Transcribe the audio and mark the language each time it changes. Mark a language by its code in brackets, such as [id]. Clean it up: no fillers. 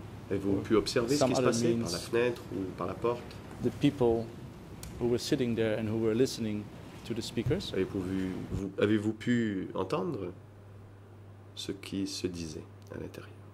[fr] Avez-vous pu observer ce qui se passait par la fenêtre ou par la porte? [en] The people who were sitting there and who were listening to the speakers. [fr] Avez-vous pu entendre ce qui se disait à l'intérieur?